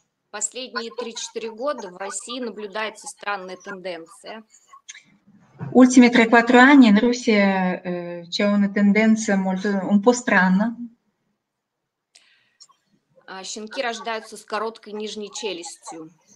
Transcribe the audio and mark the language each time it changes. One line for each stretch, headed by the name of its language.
Russian: Последние 3-4 года в России наблюдается странная тенденция.
Italian: Ultimi 3-4 anni in Russia c'è una tendenza molto un po' strana.
Russian: Щенки рождаются с короткой нижней челюстью.